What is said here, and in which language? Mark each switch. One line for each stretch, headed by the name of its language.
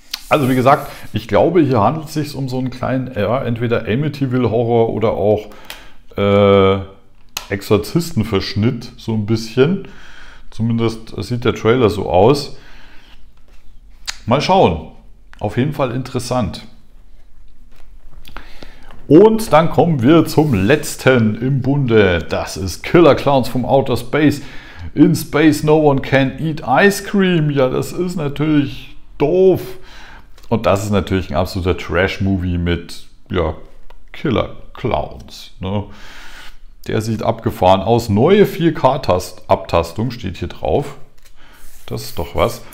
German: Also wie gesagt, ich glaube, hier handelt es sich um so einen kleinen, ja, entweder Amityville Horror oder auch Exorzisten-Verschnitt, so ein bisschen. Zumindest sieht der Trailer so aus. Mal schauen. Auf jeden Fall interessant. Und dann kommen wir zum letzten im Bunde. Das ist Killer Clowns from Outer Space.
English: In Space no one can eat ice cream.
German: Ja, das ist natürlich doof. Und das ist natürlich ein absoluter Trash-Movie mit, ja, Killer Clowns, ne? Der sieht abgefahren aus. Neue 4K-Abtastung steht hier drauf. Das ist doch was.